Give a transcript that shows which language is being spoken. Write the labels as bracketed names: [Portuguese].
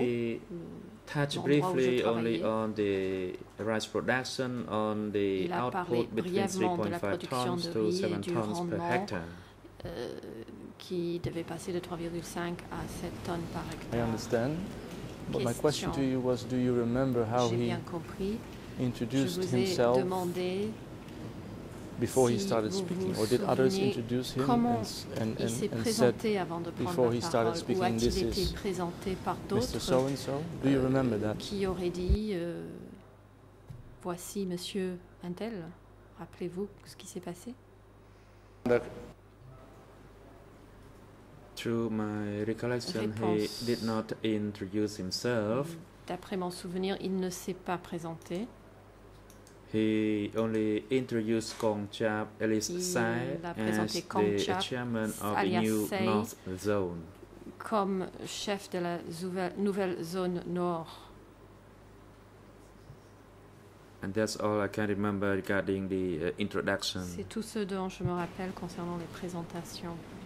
[English] he touched briefly only on the rice production, on the output between 3.5 tons to 7 tons per hectare. [French] Qui devait passer de 3,5 à 7 tonnes par hectare. [English] I understand. But my question to you was, do you remember how he introduced himself before he started speaking? Or did others introduce him and said before he started speaking, this is Mr. So-and-so? Do you remember that? [French] Qui aurait dit, voici Monsieur Intel. Rappelez-vous ce qui s'est passé? [English] Through my recollection, he did not introduce himself. [French] D'après mon souvenir, il ne s'est pas présenté. [English] He only introduced Kong Chap, Alice Tsai, as the chairman of the new North Zone. [French] Comme chef de la nouvelle zone nord. [English] And that's all I can remember regarding the introduction. [French] C'est tout ce dont je me rappelle concernant les présentations.